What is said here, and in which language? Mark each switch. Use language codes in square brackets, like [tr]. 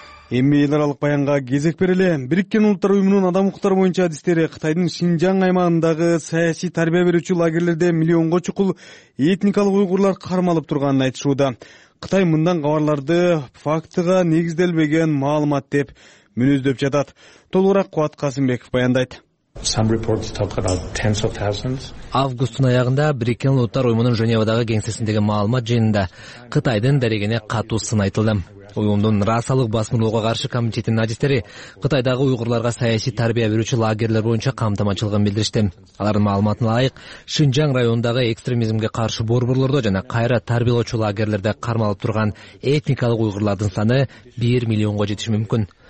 [ky] Эми эл аралык баянга кезек бериле. Бириккен улуттар уюмунун адам укуктары боюнча адистери Кытайдын Шинжаң аймагындагы саясий тарбия берүүчү лагерлерде миллионго чукул этникалык уйгурлар кармалып турганын айтышууда. Кытай мындан кабарларды фактыга негизделбеген маалымат деп мүнөздөп жатат. Толугураак Кубат Касымбеков баяндайт. [en] Some reports talk about tens of thousands. [ky] Августтун аягында Бириккен улуттар уюмунун Женевадагы кеңсесиндеги маалымат жыйынында Кытайдын дарегине катуу сын айтылды. Уюмдун расалык басмырлоого каршы комитетинин адистери Кытайдагы уйгурларга саясий тарбия берүүчү лагерлер боюнча камтамачылыгын билдиришти. Алардын маалыматына ылайык, Шинжаң районундагы экстремизмге каршы борборлордо жана кайра тарбиялоочу лагерлерде кармалып турган этникалык уйгурлардын саны 1 миллионго жетиши мүмкүн.